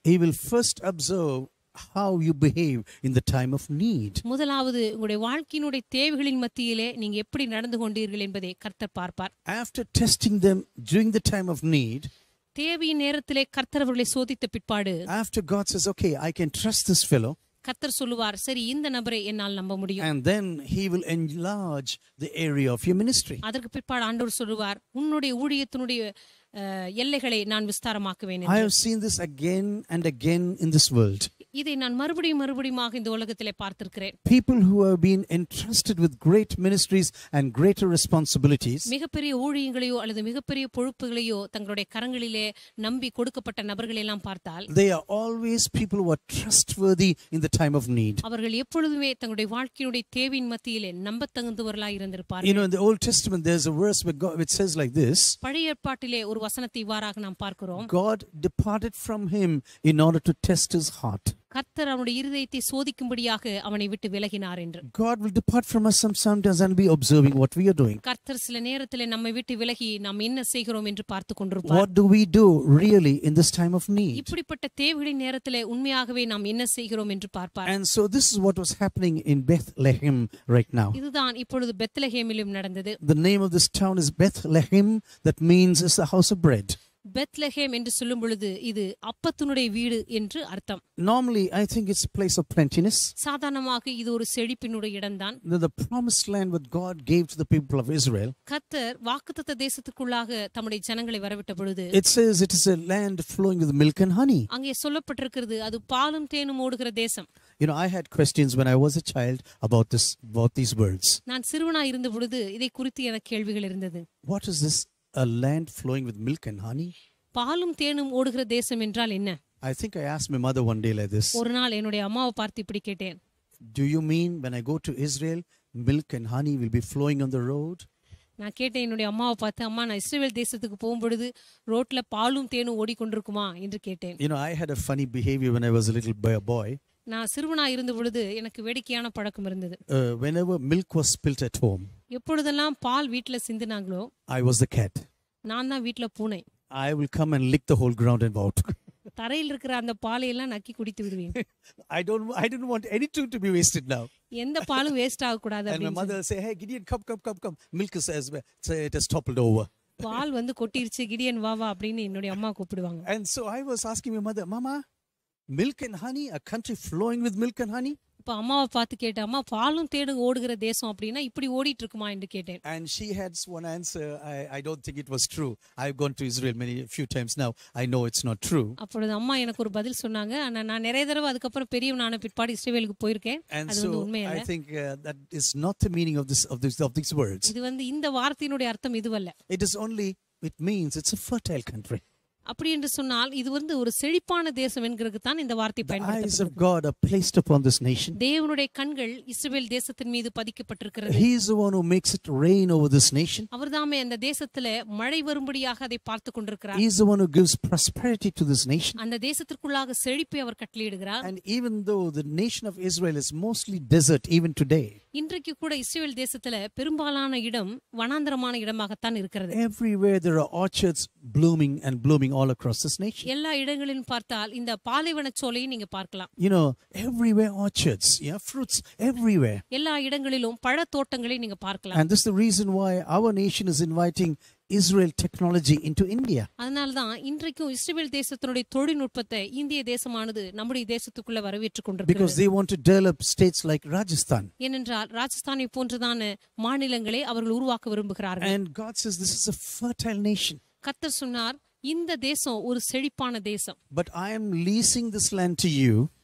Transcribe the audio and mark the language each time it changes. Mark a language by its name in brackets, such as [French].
[English] He will first observe how you behave in the time of need. [Tamil] முதலாவது உங்களுடைய வாழ்க்கையினுடைய தேவைகளின் மத்தியிலே நீங்க எப்படி நடந்து கொண்டீர்கள் என்பதை கர்த்தர் பார்ப்பார். [English] After testing them during the time of need, [Tamil] தேவையின் நேரத்திலே கர்த்தர் அவர்களை சோதித்த பிற்பாடு, [English] After God says, okay, I can trust this fellow, [Tamil] கர்த்தர் சொல்லுவார் சரி இந்த நபரை என்னால் நம்ப முடியும். [English] And then he will enlarge the area of your ministry. [Tamil] அதற்கு பிற்பாடு ஆண்டவர் சொல்லுவார் உன்னுடைய ஊழியத்தினுடைய எல்லைகளை நான் விஸ்தாரமாக்குவேன். [English] I have seen this again and again in this world. [Tamil] இதை நான் மறுபடியும் இந்த உலகத்திலே பார்த்திருக்கிறேன். [English] People who have been entrusted with great ministries and greater responsibilities, [Tamil] மிகப்பெரிய ஊழியங்களையோ அல்லது மிகப்பெரிய பொறுப்புகளையோ தங்களுடைய கரங்களிலே நம்பி கொடுக்கப்பட்ட நபர்களை எல்லாம் பார்த்தால், [English] they are always people who are trustworthy in the time of need. [Tamil] அவர்கள் எப்பொழுதுமே தங்களுடைய வாழ்க்கையினுடைய தேவையின் மத்தியிலே நம்பத்தகுந்தவர்களாய் இருந்திருப்பார்கள். [English] You know, in the Old Testament there's a verse where God, which says like this, [Tamil] பழைய ஏற்பாட்டிலே ஒரு வசனத்தை இவ்வாறாக நாம் பார்க்கிறோம், [English] God departed from him in order to test his heart. [Tamil] கர்த்தர் அவனுடைய இருதயத்தை சோதிக்கும்படியாக அவனை விட்டு விலகினார் என்று. [English] God will depart from us sometimes and be observing what we are doing. [Tamil] கர்த்தர் சில நேரத்திலே நம்மை விட்டு விலகி நாம் என்ன செய்கிறோம் என்று பார்த்துக் கொண்டிருப்பார். [English] What do we do really in this time of need? [Tamil] இப்படிப்பட்ட தேவைகளின் நேரத்திலே உண்மையாகவே நாம் என்ன செய்கிறோம் என்று பார்ப்பார். [English] And so this is what was happening in Bethlehem right now. [Tamil] இதுதான் இப்பொழுது பெத்லகேமிலும் நடந்தது. [English] The name of this town is Bethlehem, that means it's the house of bread. [Tamil] Bethlehem என்று சொல்லும் பொழுது இது அப்பத்தினுடைய வீடு என்று அர்த்தம். [English] Normally I think it's a place of plentiness. [Tamil] சாதாரணமாக இது ஒரு செழிப்பினுடைய இடம்தான். [English] The promised land that God gave to the people of Israel. [Tamil] கர்த்தர் வாக்குத்தத்த தேசத்துக்குள்ளாக தம்முடைய ஜனங்களை வரவிட்ட பொழுது, [English] It says it is a land flowing with milk and honey. [Tamil] அங்கே சொல்லப்பட்டிருக்கிறது அது பாலும் தேனும் ஓடுகிற தேசம். [English] You know, I had questions when I was a child about this, about these words. [Tamil] நான் சிறுவனாய் இருந்த பொழுது இதை குறித்து எனக்கு கேள்விகள் இருந்தது. [English] What is this? A land flowing with milk and honey. [Tamil] பாலும் தேனும் ஓடுகிற தேசம் என்றால் என்ன? [English] I think I asked my mother one day like this. [Tamil] ஒரு நாள் என்னுடைய அம்மாவை பார்த்து இப்படி கேட்டேன். [English] Do you mean when I go to Israel, milk and honey will be flowing on the road? [Tamil] நான் கேட்டேன் என்னுடைய அம்மாவை பார்த்து, அம்மா நான் இஸ்ரேல் தேசத்துக்கு போகும் பொழுது ரோட்ல பாலும் தேனும் ஓடிக்கொண்டிருக்குமா என்று கேட்டேன். [English] You know, I had a funny behavior when I was a little boy. [Tamil] நான் சிறுவனாய் இருந்த பொழுது எனக்கு வேடிக்கையான பழக்கம் இருந்தது. [English] Whenever milk was spilt at home, [Tamil] எப்பொழுதெல்லாம் பால் வீட்ல சிந்துனாங்களோ, [English] I was the cat. [Tamil] நான் தான் வீட்ல பூனை. [English] I will come and lick the whole ground and out. [Tamil] தரையில் இருக்கிற அந்த பாலை எல்லாம் நக்கி குடித்து விடுவேன். [English] I didn't want anything to be wasted now. [Tamil] எந்த பாலும் வேஸ்ட் ஆக கூடாது அப்படினு. [English] And my mother say, "Hey Gideon, come. Milk is as well. It has toppled over." [Tamil] பால் வந்து கொட்டிருச்சு, கிடியன் வா வா அப்படினு என்னோட அம்மா கூப்பிடுவாங்க. [English] And so I was asking my mother, "Mama, milk and honey, a country flowing with milk and honey?" [Tamil] அப்போ அம்மாவை பார்த்து கேட்டேன், அம்மா பாலும் தேனும் ஓடுகிற தேசம் அப்படின்னா இப்படி ஓடிட்டு இருக்குமா என்று கேட்டேன். [English] And she had one answer, I don't think it was true. I've gone to Israel a few times now. I know it's not true. [Tamil] அப்பொழுது அம்மா எனக்கு ஒரு பதில் சொன்னாங்க. ஆனா நான் நிறைய தடவை அதுக்கப்புறம் பெரியவனான பிற்பாடு இஸ்ரேலுக்கு போயிருக்கேன். [English] And so I think that is not the meaning of these words. [Tamil] இது வந்து இந்த வார்த்தையினுடைய அர்த்தம் இதுவல்ல. [English] It is only, it means it's a fertile country. [Tamil] அப்படி என்று சொன்னால் இது வந்து ஒரு செழிப்பான தேசம் என்கிறது தான் இந்த வார்த்தை பயன்படுத்தப்படுகிறது. [English] The eyes of God are placed upon this nation. [Tamil] தேவனுடைய கண்கள் இஸ்ரவேல் தேசத்தின் மீது பதிக்கப்பட்டிருக்கிறது. [English] He is the one who makes it rain over this nation. [Tamil] அவர்தாமே அந்த தேசத்திலே மழை வரும்படியாக அதை பார்த்துக் கொண்டிருக்கிறார். [English] He is the one who gives prosperity to this nation. [Tamil] அந்த தேசத்திற்குள்ளாக செழிப்பை அவர் கட்டளையிடுகிறார். [English] And even though the nation of Israel is mostly desert even today. [Tamil] இன்றைக்கு கூட இஸ்ரவேல் தேசத்திலே பெரும்பாலான இடம் வனாந்தரமான இடமாகத்தான் இருக்கிறது. [English] Everywhere there are orchards blooming all across this nation. [Tamil] எல்லா இடங்களிலும் பார்த்தால் இந்த பாலைவனச் சோலையை நீங்க பார்க்கலாம். [English] You know, everywhere orchards, yeah, fruits everywhere. [Tamil] எல்லா இடங்களிலும் பழத்தோட்டங்களை நீங்க பார்க்கலாம். [English] And this is the reason why our nation is inviting Israel technology into India. [Tamil] அதனால தான் இன்றைக்கு இஸ்ரேல் தேசத்தினுடைய தொழில்நுட்பத்தை இந்திய தேசமானது நம்முடைய தேசத்துக்குள்ள வரவேற்றுக்கொண்டிருக்கிறது. [English] Because they want to develop states like Rajasthan. [Tamil] ஏனென்றால் ராஜஸ்தானை போன்றதான மாநிலங்களை அவர்கள் உருவாக்க விரும்புகிறார்கள். [English] And God says this is a fertile nation. [Tamil] கர்த்தர் சொன்னார் இந்த தேசம் ஒரு செழிப்பான தேசம். [English] But I am leasing this land to you.